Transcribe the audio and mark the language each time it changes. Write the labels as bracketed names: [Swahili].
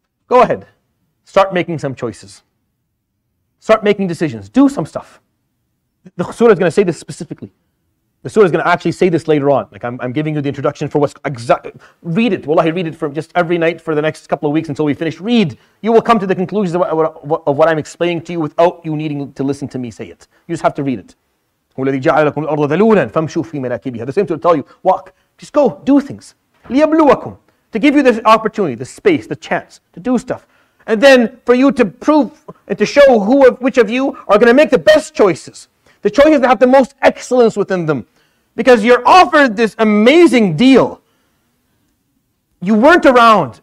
[English] Go ahead, start making some choices. Start making decisions, do some stuff. The surah is going to say this specifically. The surah is going to actually say this later on. Like I'm giving you the introduction for what's exact. Read it. Wallahi, read it for just every night for the next couple of weeks until we finish. Read. You will come to the conclusions of what I'm explaining to you without you needing to listen to me say it. You just have to read it. [Arabic] وَالَّذِي جَعَلَكُمْ الْأَرْضَ ذَلُولًا فَمْشُوا فِي مَنَاكِبِهَا. [English] The same to tell you, walk. Just go, do things. [Arabic] لِيَبْلُوَكُمْ. [English] To give you the opportunity, the space, the chance to do stuff. And then for you to prove and to show which of you are going to make the best choices. The choices that have the most excellence within them. Because you're offered this amazing deal. You weren't around.